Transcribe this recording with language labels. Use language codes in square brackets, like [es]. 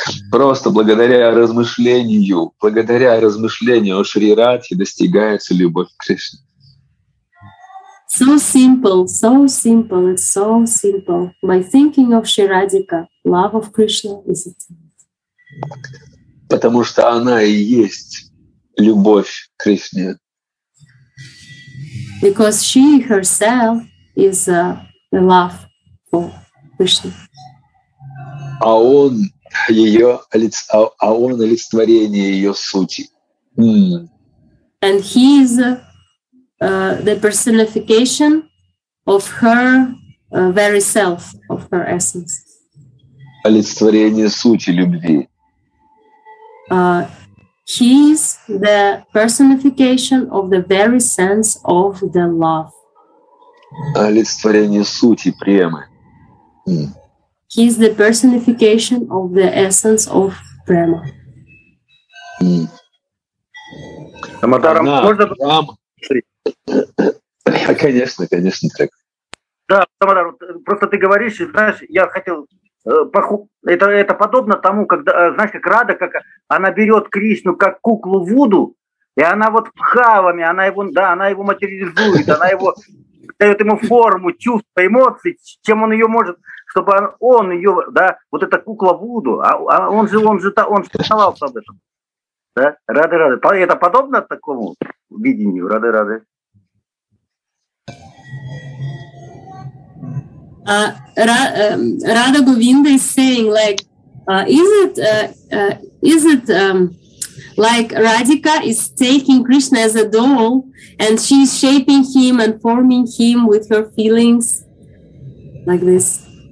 [ru] Просто благодаря размышлению о Шри Радхе достигается любовь к Кришне. [en] So simple. By thinking of Shri Radhika, love of Krishna is attained. [ru] потому что она и есть любовь Кришне. [en] Because she herself is the love for Krishna. [ru] А он ее он олицетворение ее сути. [en] And he is the personification of her very self, of her essence. [ru] Олицетворение сути любви. [en] He is the personification of the very sense of the love. [ru] Олицетворение сути премы. [en] He is the personification of the essence of prema. [ru] Самадарам, можно? Конечно, конечно, так. Да, Самадар, просто ты говоришь, знаешь, я хотел. Это подобно тому, когда, знаешь, как Рада, как она берет Кришну как куклу Вуду, и она вот бхавами, она его, да, она его материализует, она его дает ему форму, чувства, эмоции, чем он ее может, чтобы он ее, да, вот эта кукла Вуду, а он сознавался об этом. Да? Рады-рады. Это подобно такому видению, рады-рады. [en] Radha Govinda is saying, like, like Radhika is taking Krishna as a doll and she's shaping him and forming him with her feelings, like this?